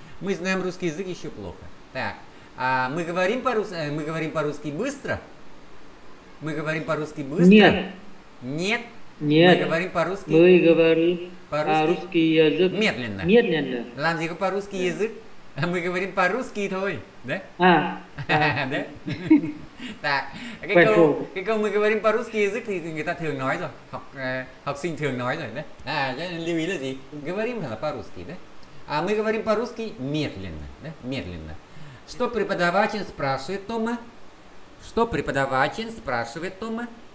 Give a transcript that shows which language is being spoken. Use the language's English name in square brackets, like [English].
[Russian] Мы знаем русский язык еще плохо. Так. Мы говорим по-русски быстро? Мы говорим по-русски быстро? Нет. Нет? Нет. Мы говорим по-русски? Мы говорим по-русски. Русский язык. Медленно. Медленно. Ландзико по-русски да. язык. Мы говорим по-русски, твой, да? А. Да? [Vietnamese] Так, cái câu [Russian] мы говорим по-русски язык, [Vietnamese] thì người ta thường nói rồi, học sinh thường nói rồi, да? А, cho nên lưu ý là gì? [Russian] Говорим [Vietnamese] là [Russian] по-русски, да? А мы говорим по-русски медленно, да? Медленно. Что преподаватель спрашивает Тома? Что преподаватель спрашивает Тома?